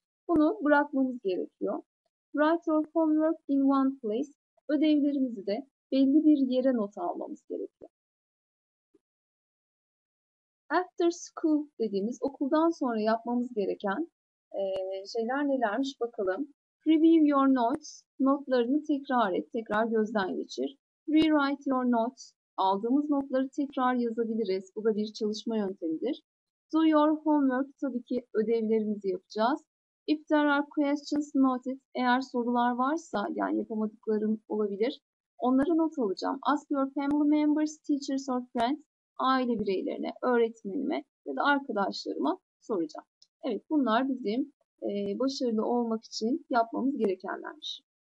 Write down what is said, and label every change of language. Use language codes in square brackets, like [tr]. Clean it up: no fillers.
[tr] Bunu bırakmamız gerekiyor. [en] Write your homework in one place. [tr] Ödevlerimizi de belli bir yere not almamız gerekiyor. After school dediğimiz okuldan sonra yapmamız gereken şeyler nelermiş bakalım. [en] Review your notes. [tr] Notlarını tekrar et. Tekrar gözden geçir. [en] Rewrite your notes. [tr] Aldığımız notları tekrar yazabiliriz. Bu da bir çalışma yöntemidir. [en] Do your homework. [tr] Tabii ki ödevlerimizi yapacağız. [en] If there are questions, note it. [tr] Eğer sorular varsa, yani yapamadıklarım olabilir. Onları not alacağım. [en] Ask your family members, teachers or friends. [tr] aile bireylerine, öğretmenime ya da arkadaşlarıma soracağım. Evet, bunlar bizim başarılı olmak için yapmamız gerekenlermiş.